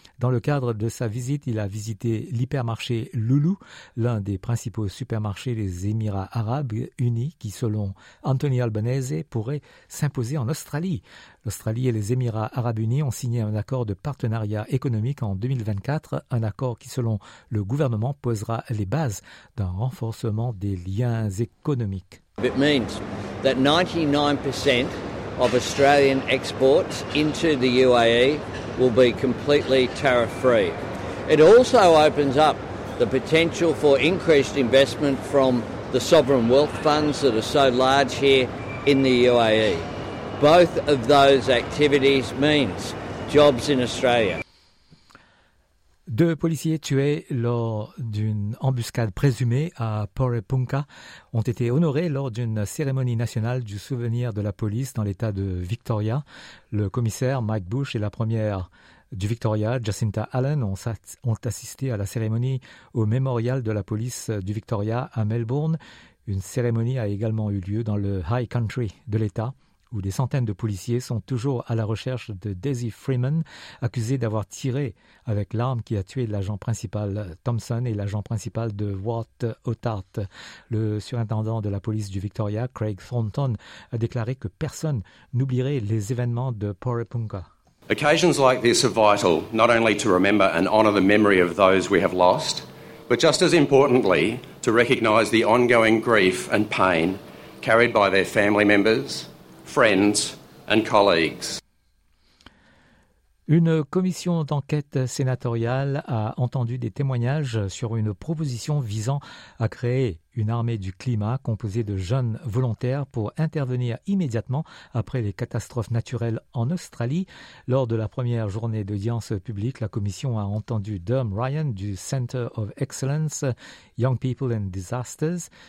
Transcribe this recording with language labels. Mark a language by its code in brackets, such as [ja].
[fr] Dans le cadre de sa visite, il a visité l'hypermarché Lulu, l'un des principaux supermarchés des Émirats arabes unis qui, selon Anthony Albanese, pourrait s'imposer en Australie. L'Australie et les Émirats arabes unis ont signé un accord de partenariat économique en 2024, un accord qui, selon le gouvernement, posera les bases d'un renforcement des liens économiques. [en] It means that 99% of Australian exports into the UAE will be completely tariff-free. It also opens up the potential for increased investment from the sovereign wealth funds that are so large here in the UAE. Both of those activities means jobs in Australia. [fr] 2 policiers tués lors d'une embuscade présumée à Porepunka ont été honorés lors d'une cérémonie nationale du souvenir de la police dans l'état de Victoria. Le commissaire Mike Bush et la première du Victoria, Jacinta Allen, ont assisté à la cérémonie au mémorial de la police du Victoria à Melbourne. Une cérémonie a également eu lieu dans le High Country de l'état, où des centaines de policiers sont toujours à la recherche de Daisy Freeman, accusée d'avoir tiré avec l'arme qui a tué l'agent principal Thompson et l'agent principal de Wart Otart. Le surintendant de la police du Victoria, Craig Thornton, a déclaré que personne n'oublierait les événements de Porepunka. [en] Occasions like this are vital, not only to remember and honour the memory of those we have lost, but just as importantly, to recognise the ongoing grief and pain carried by their family members, friends and colleagues. [fr] Une commission d'enquête sénatoriale a entendu des témoignages sur une proposition visant à créer une armée du climat composée de jeunes volontaires pour intervenir immédiatement après les catastrophes naturelles en Australie. Lors de la première journée d'audience publique, la commission a entendu Derm Ryan du Center of Excellence Young People and Disasters.